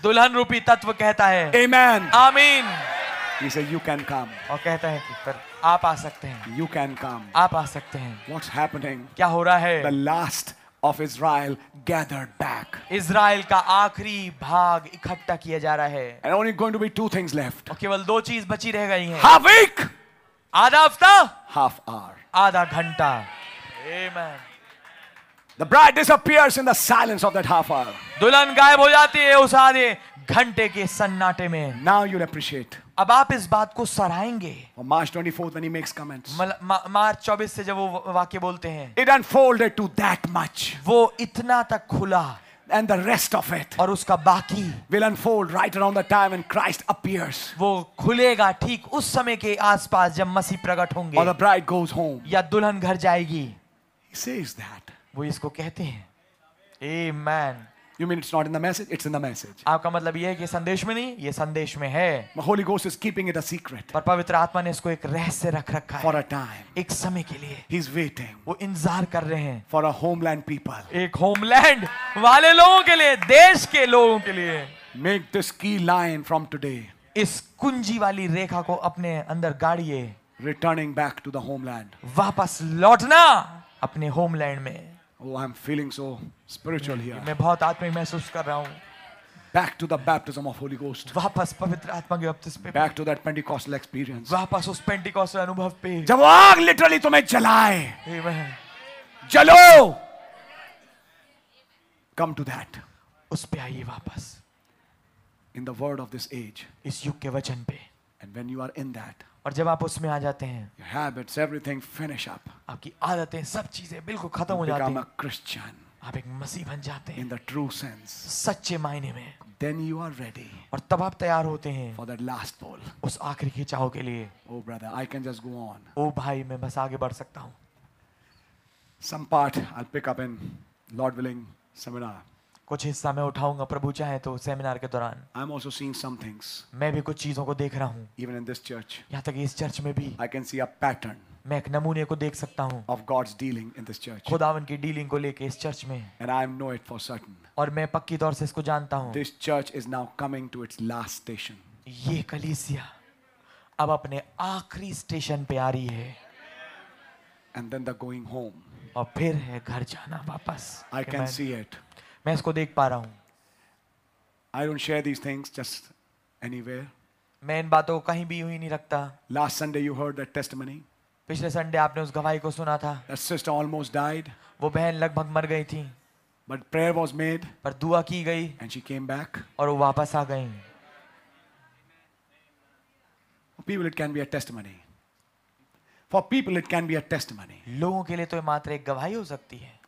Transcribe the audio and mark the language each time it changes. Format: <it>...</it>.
<hi>दुल्हन रूपी तत्व कहता है.</hi> <en>Amen.</en> <hi>आमीन.</hi> <en>He says you can come.</en> <hi>और कहता है कि पर आप आ सकते हैं.</hi> <en>You can come.</en> <hi>आप आ सकते हैं.</hi> <en>What's happening?</en> <hi>क्या हो रहा है?</hi> <en>The last of Israel gathered back.</en> <hi>Israel का आखिरी भाग इकट्ठा किया जा रहा है.</hi> <en>And only going to be two things left.</en> <hi>और केवल दो चीज बची रह गई हैं.</hi> <en>Half week.</en> <hi>आधा हफ्ता.</hi> <en>Half hour.</en> <hi>आधा घंटा. Amen.</hi> <en>The bride disappears in the silence of that half hour.</en> <hi>दुल्हन गायब हो जाती है उस आधे घंटे के सन्नाटे में.</hi> <en>Now you'll appreciate.</en> <hi>अब आप इस बात को सराहेंगे.</hi> <en>March 24th when he makes comments.</en> <hi>मार्च 24 से जब वो वाक्य बोलते हैं.</hi> <en>It unfolded to that much.</en> <hi>वो इतना तक खुला.</hi> <en>And the rest of it.</en> <hi>और उसका बाकी.</hi> <en>Will unfold right around the time when Christ appears.</en> <hi>वो खुलेगा ठीक उस समय के आसपास जब मसीह प्रकट होंगे.</hi> <en>Or the bride goes home.</en> <hi>या दुल्हन घर जाएगी.</hi> <en>He says that.</en> <hi>वो इसको कहते हैं. Amen.</hi> <en>You mean it's not in the message? It's in the message.</en> <hi>आपका मतलब ये है कि संदेश में नहीं? ये संदेश में है.</hi> <en>The Holy Ghost is keeping it a secret.</en> <hi>पर पवित्र आत्मा ने इसको एक रहस्य रख रखा है.</hi> <en>For a time.</en> <hi>एक समय के लिए.</hi> <en>He's waiting.</en> <hi>वो इंतजार कर रहे हैं.</hi> <en>For a homeland people.</en> <hi>एक homeland वाले लोगों के लिए, देश के लोगों के लिए.</hi> <en>Make this key line from today.</en> <hi>इस कुंजी वाली रेखा को अपने अंदर गाड़िए.</hi> <en>Returning back to the homeland.</en> <hi>वापस लौटना अपने homeland में.</hi> <en>Oh, I'm feeling so spiritual here.</en> <hi>मैं बहुत आत्मिक महसूस कर रहा हूँ.</hi> <en>Back to the baptism of Holy Ghost.</en> <hi>वापस पवित्र आत्मा के बपतिस्मे पे.</hi> <en>Back to that Pentecostal experience.</en> <hi>वापस उस पेंटिकॉस्टल अनुभव पे. जब आग literally तुम्हें जलाए.</hi> <en>Amen.</en> <hi>जलो.</hi> <en>Come to that.</en> <hi>उस पे आइए वापस.</hi> <en>In the word of this age.</en> <hi>इस युग के वचन पे.</hi> <en>And when you are in that.</en> <hi>और जब आप उसमें आ जाते हैं.</hi> <en>Your habits, everything finish up.</en> <hi>आपकी आदतें सब चीजें बिल्कुल खत्म हो जाती हैं.</hi> <en>Become a Christian.</en> <hi>आप एक मसीह बन जाते हैं.</hi> <en>In the true sense.</en> <hi>सच्चे मायने में.</hi> <en>Then you are ready.</en> <hi>और तब आप तैयार होते हैं.</hi> <en>For that last pull.</en> <hi>उस आखिरी खिंचाव के लिए.</hi> <en>Oh brother, I can just go on.</en> <hi>ओ भाई, मैं बस आगे बढ़ सकता हूँ.</hi> <en>Some part I'll pick up in Lord willing seminar.</en> <hi>कुछ हिस्सा मैं उठाऊंगा प्रभु चाहे तो सेमिनार के दौरान.</hi> <en>I am also seeing some things.</en> <hi>मैं भी कुछ चीजों को देख रहा हूँ.</hi> <en>Even in this church.</en> <hi>यहाँ तक इस चर्च में भी.</hi> <en>I can see a pattern.</en> <hi>मैं एक नमूने को देख सकता हूँ.</hi> <en>Of God's dealing in this church.</en> <hi>खुदावन की डीलिंग को लेके इस चर्च में.</hi> <en>And I know it for certain.</en> <hi>और मैं पक्की तौर से इसको जानता हूँ.</hi> <en>This church is now coming to its last station.</en> <hi>ये कलीसिया अब अपने आखिरी स्टेशन पे आ रही है.</hi> <en>And then the going home.</en> <hi>और फिर है घर जाना वापस.</hi> <en>I can see it.</en> <hi>मैं इसको देख पा रहा हूँ.</hi> <en>I don't share these things just anywhere.</en> <hi>मैं इन बातों को कहीं भी नहीं रखता.</hi> <en>Last Sunday you heard that testimony.</en> <hi>पिछले संडे आपने उस गवाही को सुना था.</hi> <en>That sister almost died.</en> <hi>वो बहन लगभग मर गई थी.</hi> <en>But prayer was made.</en> <hi>पर दुआ की गई.</hi> <en>And she came back.</en> <hi>और वो वापस आ गईं.</hi> <en>For people it can be a testimony. For people it can be a testimony.</en> <hi>लोगों के लिए तो मात्र एक गवाही हो सकती है.</hi>